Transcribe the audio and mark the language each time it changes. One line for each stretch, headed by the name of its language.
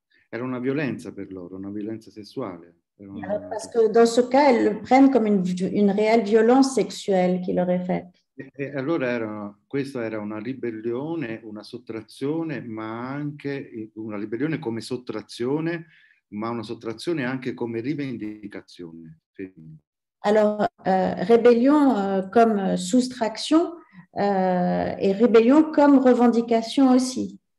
Italian: Era una violenza per loro, una violenza sessuale.
French: Parce que dans ce cas, elles le prennent comme une réelle violence sexuelle qui leur est faite.
Italian: E allora questa era una ribellione, una sottrazione, ma anche una ribellione come sottrazione, ma una sottrazione anche come rivendicazione. Allora, ribellione come sottrazione e ribellione come rivendicazione aussi.